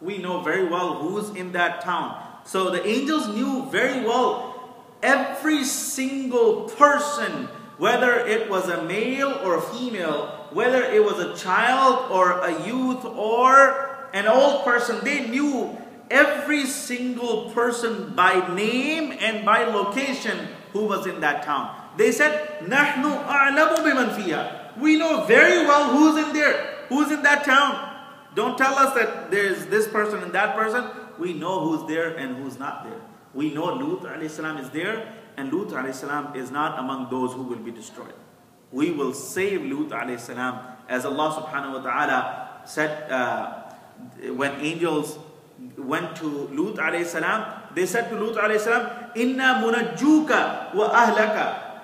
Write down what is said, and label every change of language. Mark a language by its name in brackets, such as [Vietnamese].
[English] We know very well who's in that town. So the angels knew very well every single person, whether it was a male or female, whether it was a child or a youth or an old person, they knew every single person by name and by location who was in that town. They said, [Arabic] نَحْنُ أَعْلَمُ بِمَنْ فِيهَا. [English] We know very well who's in there, who's in that town. Don't tell us that there's this person and that person. We know who's there and who's not there. We know Lut alayhi salam is there, and Lut alayhi salam is not among those who will be destroyed. We will save Lut alayhi salam, as Allah subhanahu wa ta'ala said, when angels went to Lut alayhi salam, they said to Lut alayhi salam, [Arabic] Inna munajjuka wa ahlaka.